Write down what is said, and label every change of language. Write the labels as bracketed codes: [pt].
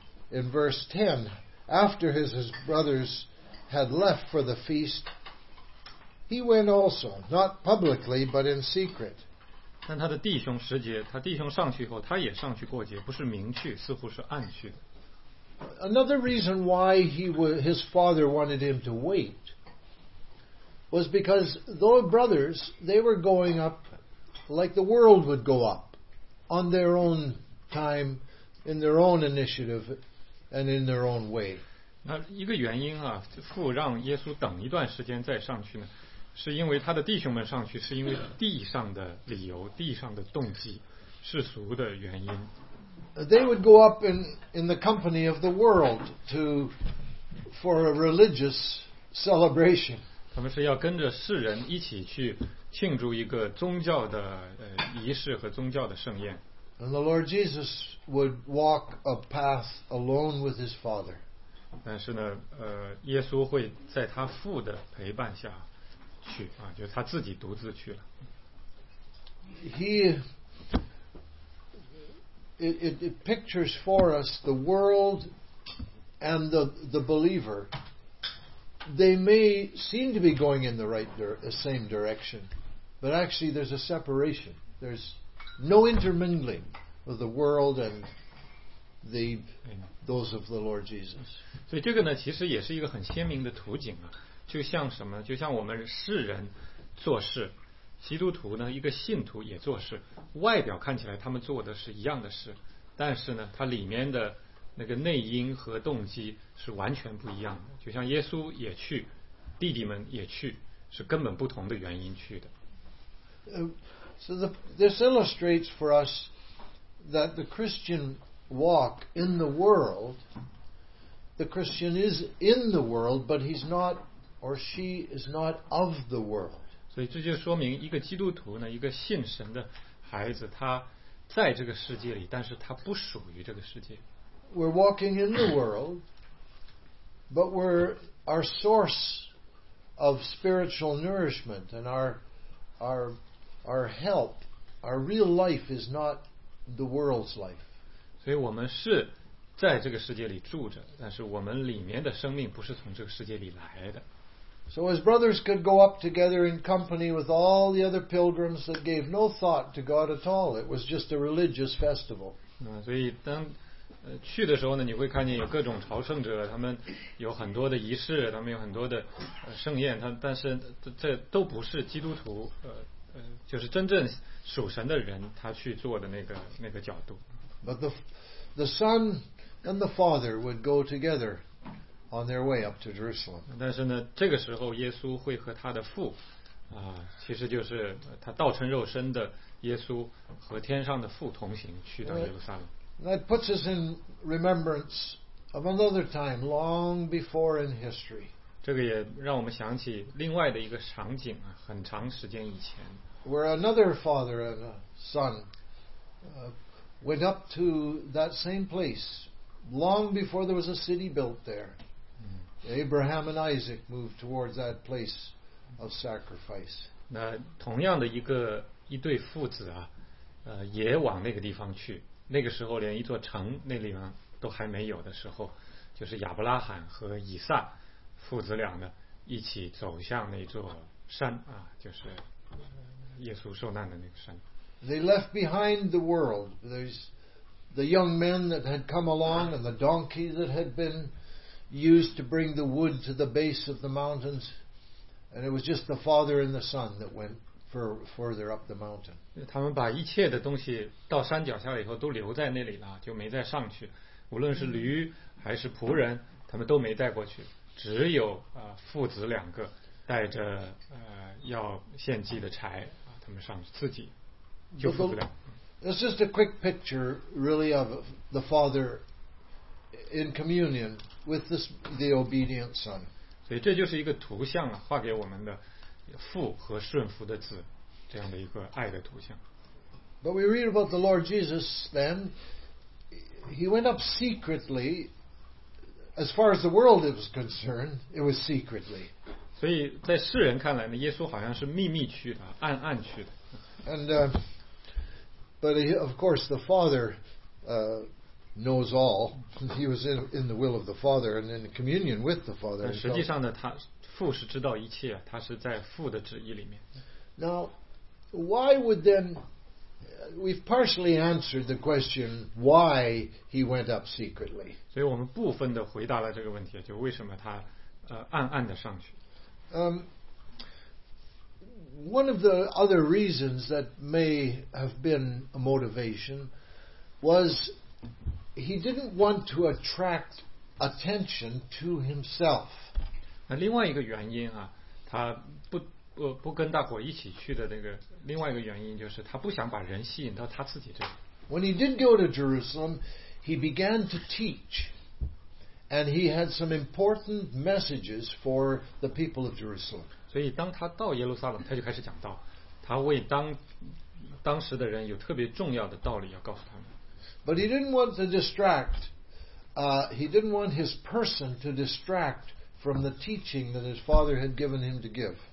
[en] In verse 10, after his brothers had left for the feast, he went also, not publicly, but in secret. [zh] 但他的弟兄十节，他弟兄上去以后，他也上去过节，不是明去，似乎是暗去的。 [en] Another reason why his father wanted him to wait was because those brothers, they were going up like the world would go up, on their own time, in their own initiative, and in their own way. [zh] 那一个原因啊，父让耶稣等一段时间再上去呢，是因为他的弟兄们上去是因为地上的理由，地上的动机，世俗的原因。 [en] They would go up in the company of the world to for a religious celebration. [zh] 他们是要跟着世人一起去庆祝一个宗教的仪式和宗教的盛宴。 [en] And the Lord Jesus would walk a path alone with his Father. [zh] 但是呢，耶稣会在他父的陪伴下去啊，就他自己独自去了。 [en] It pictures for us the world and the believer. They may seem to be going in the same direction, but actually there's a separation. There's no intermingling of the world and those of the Lord Jesus. [zh] 所以这个呢，其实也是一个很鲜明的图景啊，就像什么？就像我们世人做事。基督徒呢，一个信徒也做事，外表看起来他们做的是一样的事，但是呢，他里面的那个内因和动机是完全不一样的。就像耶稣也去，弟弟们也去，是根本不同的原因去的。 [en] So this illustrates for us that the Christian walk in the world, the Christian is in the world, but he's not or she is not of the world. [zh] 所以这就说明一个基督徒呢，一个信神的孩子，他在这个世界里，但是他不属于这个世界。 [en] We're walking in the world, but our source of spiritual nourishment and our help, our real life is not the world's life. [zh] 所以我们是在这个世界里住着，但是我们里面的生命不是从这个世界里来的。 [en] So his brothers could go up together in company with all the other pilgrims that gave no thought to God at all. It was just a religious festival. [zh] 所以当去的时候呢，你会看见有各种朝圣者，他们有很多的仪式，他们有很多的盛宴，但是这都不是基督徒就是真正属神的人他去做的那个角度。 [en] But the son and the father would go together. On their way up to Jerusalem. [zh] 但是呢，这个时候耶稣会和他的父，其实就是他道成肉身的耶稣和天上的父同行去到耶路撒冷。 [en] That puts us in remembrance of another time long before in history. [zh] 这个也让我们想起另外的一个场景啊，很长时间以前。 [en] Where another father and a son went up to that same place long before there was a city built there. Abraham and Isaac moved towards that place of sacrifice. [zh] 那同样的一对父子啊，也往那个地方去。那个时候连一座城那里呢都还没有的时候，就是亚伯拉罕和以撒父子俩呢一起走向那座山啊，就是耶稣受难的那个山。 [en] They left behind the world. There's the young men that had come along and the donkey that had been. Used to bring the wood to the base of the mountains, and it was just the father and the son that went further up the mountain. [zh] 他们把一切的东西到山脚下以后都留在那里了，就没再上去。无论是驴还是仆人，他们都没带过去，只有父子两个带着要献祭的柴他们上去自己就父子俩。 [en] It's just a quick picture, really, of the father in communion with the obedient son. [zh] 所以这就是一个图像啊，画给我们的父和顺服的子这样的一个爱的图像。 [en] But we read about the Lord Jesus then. He went up secretly. As far as the world was concerned, it was secretly. [zh] 所以在世人看来呢，耶稣好像是秘密去的，暗暗去的。 [en] And but he, of course the Father knows all. He was in the will of the Father and in communion with the Father. [zh] 实际上呢，他父是知道一切，他是在父的旨意里面。 [en] Now, why would then? We've partially answered the question why he went up secretly. [zh] 所以我们部分的回答了这个问题，就为什么他暗暗的上去。 [en] One of the other reasons that may have been a motivation was he didn't want to attract attention to himself. [zh] 那另外一个原因啊，他不跟大伙一起去的那个另外一个原因就是他不想把人吸引到他自己这里。 [en] When he did go to Jerusalem, he began to teach, and he had some important messages for the people of Jerusalem. [zh] 所以当他到耶路撒冷，他就开始讲道，他为当时的人有特别重要的道理要告诉他们。 [en] But he didn't want to distract. He didn't want his person to distract from the teaching that his father had given him to give.